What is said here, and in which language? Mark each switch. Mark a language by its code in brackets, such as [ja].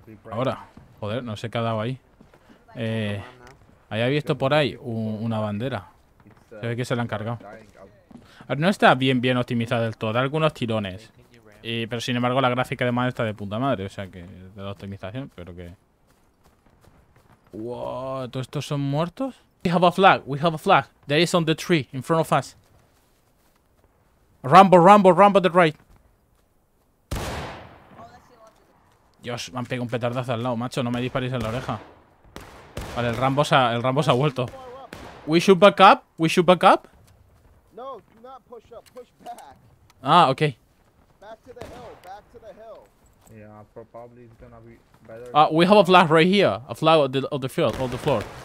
[es] Ahora, joder, no sé qué ha dado ahí. Había visto por ahí una bandera. Se ve que se la han cargado. No está bien optimizada del todo. Da algunos tirones. Pero sin embargo, la gráfica de madre está de puta madre. O sea que de la optimización, pero que. Wow, ¿todos estos son muertos? [en] We have a flag, we have a flag. There is on the tree, in front of us. Rambo, Rambo, Rambo the right. [es] Dios, me han pegado un petardazo al lado, macho. No me disparéis en la oreja. Vale, el Rambo se ha vuelto. [en] We should back up, we should back up. No, do not push up, push back. Ah, ok. Back to the hill, back to the hill. Yeah, probably it's gonna be better. Ah, we have a flag right here. A flag of the field, of the floor.